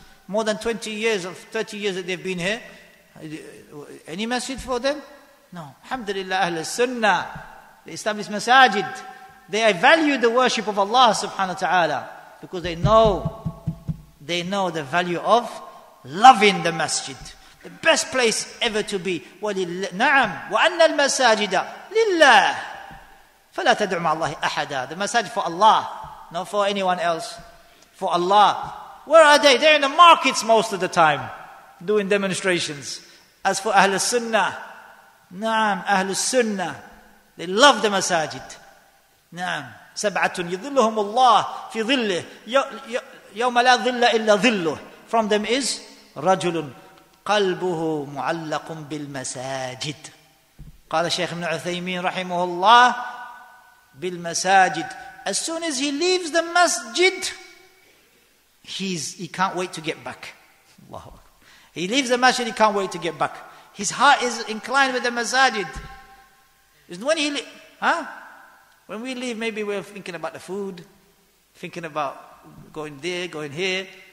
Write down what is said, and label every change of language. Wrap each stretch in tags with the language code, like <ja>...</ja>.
<en>More than 20 years of 30 years that they've been here. Any masjid for them? No. Alhamdulillah, Ahl Sunnah. They establish masajid. They value the worship of Allah subhanahu wa ta'ala. Because they know the value of loving the masjid. The best place ever to be.</en> <ar>نعم وأن المساجد لله فلا تدع مع الله أحدا.</ar> <en>The masajid for Allah, not for anyone else. For Allah. Where are they? They're in the markets most of the time, doing demonstrations. As for Ahl Sunnah, نعم Ahl Sunnah, they love the masajid.</en> <ar>نعم سبعة يظلهم الله في ظله يوم لا ظل إلا ظله.</ar> <en>From them is</en> <ar>رجل قلبه معلق بالمساجد. قال الشيخ ابن عثيمين رحمه الله بالمساجد.</ar> <en>As soon as he leaves the masjid, he can't wait to get back. Allahu Akbar. He leaves the masjid, he can't wait to get back. His heart is inclined with the masajid. Isn't when he when we leave, maybe we're thinking about the food, thinking about going there, going here.</en>